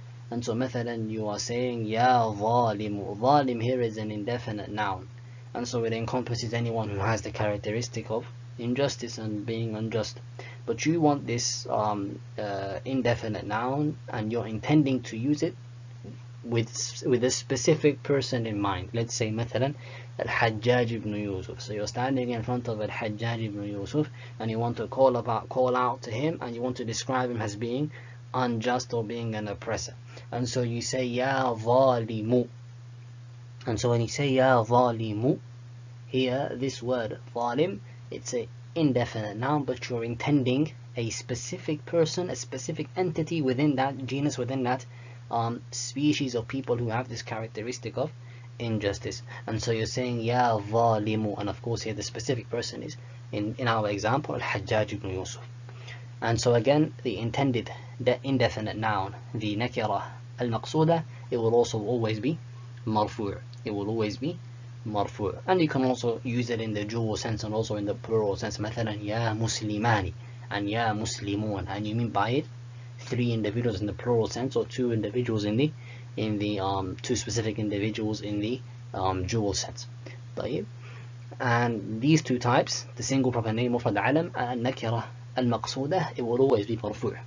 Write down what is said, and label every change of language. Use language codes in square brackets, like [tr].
[en] And so, مثلاً, you are saying ya zalim. Zalim here is an indefinite noun. And so it encompasses anyone who has the characteristic of injustice and being unjust. But you want this indefinite noun, and you're intending to use it with a specific person in mind. Let's say مثلاً الحجاج ابن يوسف. So you're standing in front of الحجاج ابن يوسف, and you want to call out to him, and you want to describe him as being unjust or being an oppressor. And so you say يا ظالم. And so when you say يا ظالم, here this word ظالم, it's an indefinite noun, but you're intending a specific person, a specific entity within that genus, within that species of people who have this characteristic of injustice. And so you're saying ya zalimu, and of course here the specific person is in our example al-Hajjaj ibn Yusuf. And so again, the intended indefinite noun, the nakira al-maqsuda, it will also always be marfu'. It will always be marfu'. And you can also use it in the dual sense and also in the plural sense. [ar] مثلاً يا مسلماني and يا مسلمون. [en] And you mean by it three individuals in the plural sense or two individuals in the two specific individuals in the dual sense. طيب. And these two types, the single proper name of al-alam and nakira al-maqsuda, it will always be marfu'.